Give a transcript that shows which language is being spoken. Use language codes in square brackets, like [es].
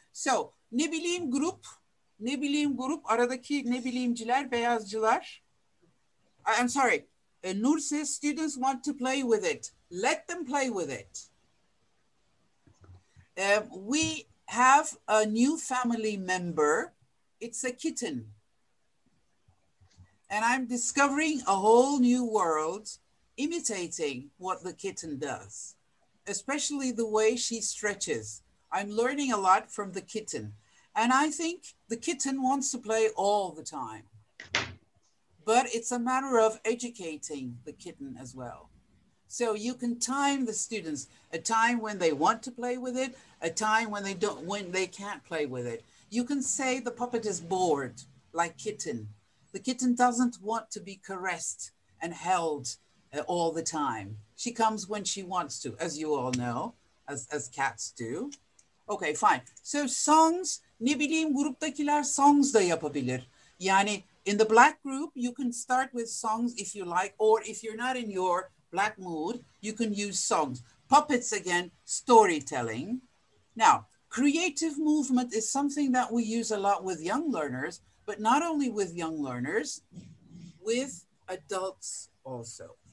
[tr] So ne bileyim grup, ne bileyim grup, aradaki ne bileyimciler, beyazcılar. [en] I'm sorry, Nur says students want to play with it. Let them play with it. We have a new family member. It's a kitten. and I'm discovering a whole new world imitating what the kitten does, especially the way she stretches. I'm learning a lot from the kitten. And I think the kitten wants to play all the time. But it's a matter of educating the kitten as well. So you can time the students, a time when they want to play with it, a time when they don't, when they can't play with it. You can say the puppet is bored, like kitten. The kitten doesn't want to be caressed and held all the time. She comes when she wants to, as you all know, as cats do. Okay, fine. So songs, [tr] ne bileyim, gruptakiler songs da yapabilir. Yani [en] in the black group, you can start with songs if you like, or if you're not in your black mood, you can use songs. Puppets again, storytelling. Now, creative movement is something that we use a lot with young learners, but not only with young learners, with adults also.